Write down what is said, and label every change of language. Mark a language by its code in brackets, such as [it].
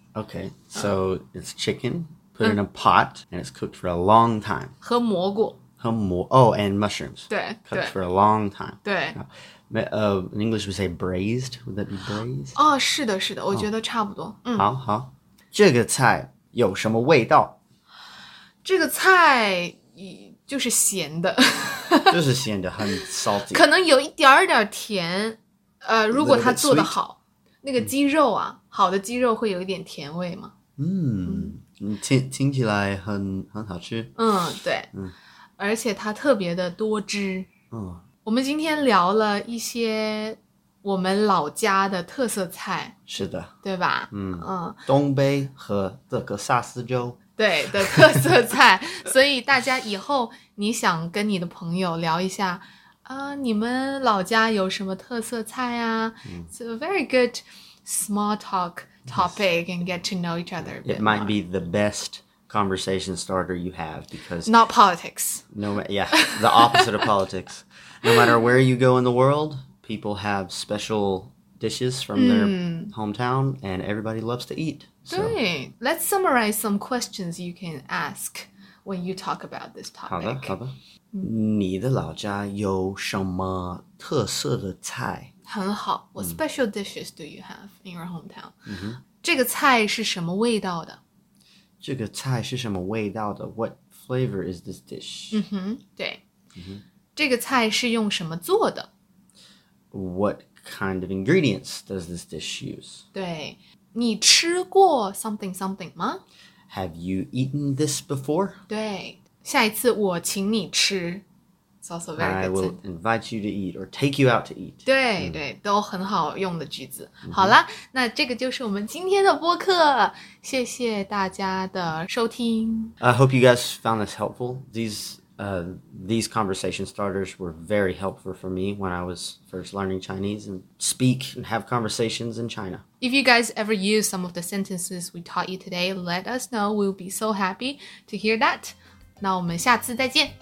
[en] so,Okay, so it's chicken, put in a pot, and it's cooked for a long time. [zh] 和蘑菇。 [en] Oh, and mushrooms. [zh] 对。 [en] Cooked for a long time. [zh] 对。 [en] In English we say braised, would that be braised? [zh] 哦，是的，是的，我觉得差不多。好，好。这个菜有什么味道？这个菜就是咸的。就是咸的，很 salty。可能有一点点甜，如果它做得好。那个鸡肉啊、嗯、好的鸡肉会有一点甜味吗嗯听起来很好吃。嗯对嗯。而且它特别的多汁。嗯。我们今天聊了一些我们老家的特色菜。是的。对吧嗯。东北和德克萨斯州。对的特色菜。所以大家以后你想跟你的朋友聊一下。你们老家有什么特色菜啊、嗯、 [en] It's a very good small talk topic and get to know each other a bit It might、 more. Be the best conversation starter you have because Not politics the opposite of politics No matter where you go in the world, people have special dishes from their hometown, and everybody loves to eat. So. 对, let's summarize some questions you can ask when you talk about this topic. [zh] 好的，好的。你的老家有什么特色的菜？很好。 [en] What special dishes do you have in your hometown? 嗯哼。 [zh] 这个菜是什么味道的？这个菜是什么味道的？ [en] What flavor is this dish? [zh] 嗯哼，对。嗯哼。这个菜是用什么做的？ [en] What kind of ingredients does this dish use? [zh] 对，你吃过 something something 吗？ [en] Have you eaten this before? [zh] 对，下一次我请你吃。 [en] It's also very good. I will invite you to eat or take you out to eat. [zh] 对、mm-hmm. 对，都很好用的句子。好啦、mm-hmm. 那这个就是我们今天的播客。谢谢大家的收听。 [en] I hope you guys found this helpful. These conversation starters were very helpful for me when I was first learning Chinese and speak and have conversations in China. If you guys ever use some of the sentences we taught you today, let us know. We'll be so happy to hear that. [zh] 那我们下次再见。